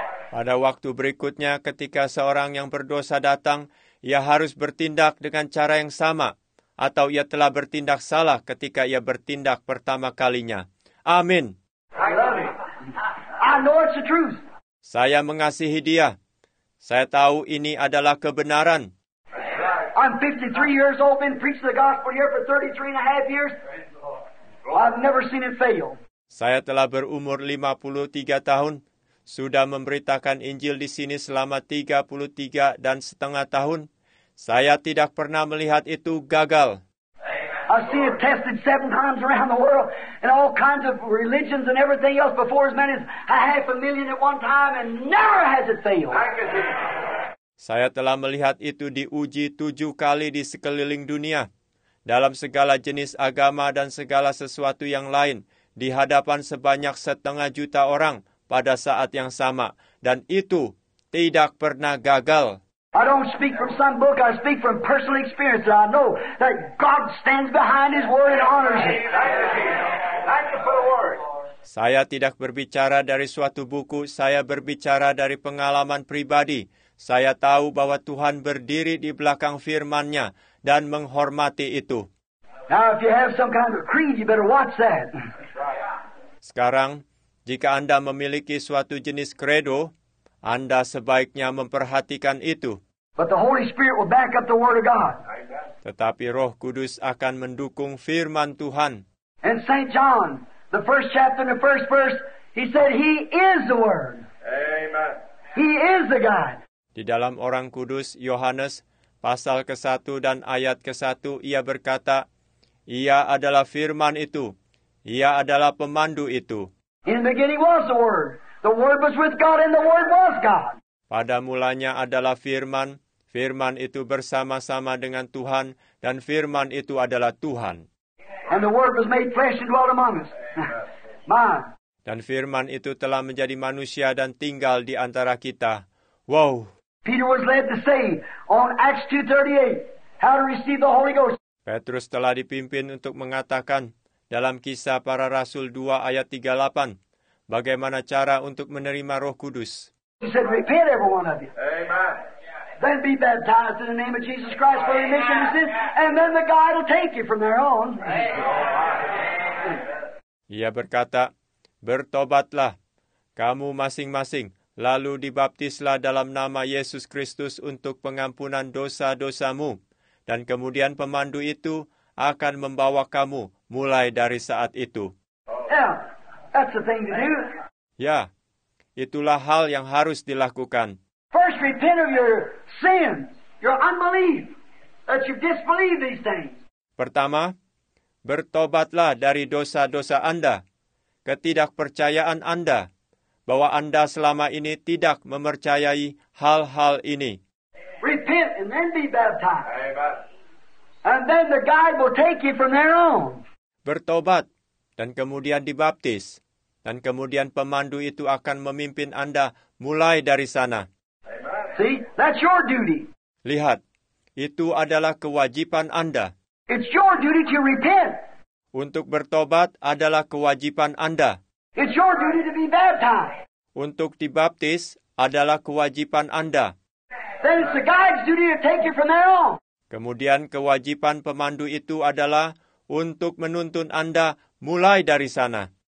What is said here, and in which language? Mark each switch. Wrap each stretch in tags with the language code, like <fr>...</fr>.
<id>Pada waktu berikutnya, ketika seorang yang berdosa datang, ia harus bertindak dengan cara yang sama, atau ia telah bertindak salah ketika ia bertindak pertama kalinya. Amin.</id> <en>I love it. I know it's the truth.</en> <id>Saya mengasihi dia. Saya tahu ini adalah kebenaran.</id> <en>I'm 53 years old, been preaching the gospel here for 33 and a half years. I've never seen it fail.</en> <id>Saya telah berumur 53 tahun. Sudah memberitakan Injil di sini selama 33 dan setengah tahun. Saya tidak pernah melihat itu gagal.</id> <en>I've seen it tested 7 times around the world in all kinds of religions and everything else before as many as a half a million at one time and never has it failed.</en> <id>Saya telah melihat itu diuji 7 kali di sekeliling dunia dalam segala jenis agama dan segala sesuatu yang lain di hadapan sebanyak 500,000 orang. Pada saat yang sama, dan itu tidak pernah gagal.</id> <en>I don't speak from some book, I speak from personal experience. I know that God stands behind his word and honors it. Thank you for the word.</en> <id>Saya tidak berbicara dari suatu buku, saya berbicara dari pengalaman pribadi. Saya tahu bahwa Tuhan berdiri di belakang firman-Nya dan menghormati itu.</id> <en>Now if you have some kind of creed, you better watch that.</en> <id>Sekarang, jika Anda memiliki suatu jenis kredo, Anda sebaiknya memperhatikan itu.</id> <en>But the Holy Spirit will back up the word of God.</en> <id>Tetapi Roh Kudus akan mendukung firman Tuhan.</id> <en>And St. John, the first chapter and the first verse, he said he is the word. Amen. He is the God.</en> <id>Di dalam orang kudus Yohanes pasal ke-1 dan ayat ke-1 ia berkata, ia adalah firman itu. Ia adalah pemandu itu.</id> <en>In the beginning was the Word. The Word was with God and the Word was God.</en> <id>Pada mulanya adalah firman. Firman itu bersama-sama dengan Tuhan dan firman itu adalah Tuhan.</id> <en>And the Word was made flesh and dwelt among us. Man.</en> <id>Dan firman itu telah menjadi manusia dan tinggal di antara kita. Wow.</id> <en>Peter was led to say on Acts 2:38 how to receive the Holy Ghost.</en> <id>Petrus telah dipimpin untuk mengatakan dalam Kisah Para Rasul 2 ayat 38, bagaimana cara untuk menerima Roh Kudus?</id> <en>He said, repent every one of you. Amen. Then be baptized in the name of Jesus Christ for remission of sins, and then the God will take you from there on.</en> <id>Ia berkata, bertobatlah kamu masing-masing, lalu dibaptislah dalam nama Yesus Kristus untuk pengampunan dosa-dosamu, dan kemudian pemandu itu akan membawa kamu mulai dari saat itu.</id> <en>Yeah, that's the thing to do.</en> <id>Ya, itulah hal yang harus dilakukan.</id> <en>First, repent of your sins, your unbelief, that you disbelieve these things.</en> <id>Pertama, bertobatlah dari dosa-dosa Anda, ketidakpercayaan Anda, bahwa Anda selama ini tidak mempercayai hal-hal ini.</id> <en>Repent and then be baptized. Amen. And then the guide will take you from there on.</en> <id>Bertobat dan kemudian dibaptis dan kemudian pemandu itu akan memimpin Anda mulai dari sana.</id> <en>See, that's your duty.</en> <id>Lihat, itu adalah kewajiban Anda.</id> <en>It's your duty to repent.</en> <id>Untuk bertobat adalah kewajiban Anda.</id> <en>It's your duty to be baptized.</en> <id>Untuk dibaptis adalah kewajiban Anda.</id> <en>Then it's the guide's duty to take you from there on.</en> <id>Kemudian kewajiban pemandu itu adalah untuk menuntun Anda mulai dari sana.</id>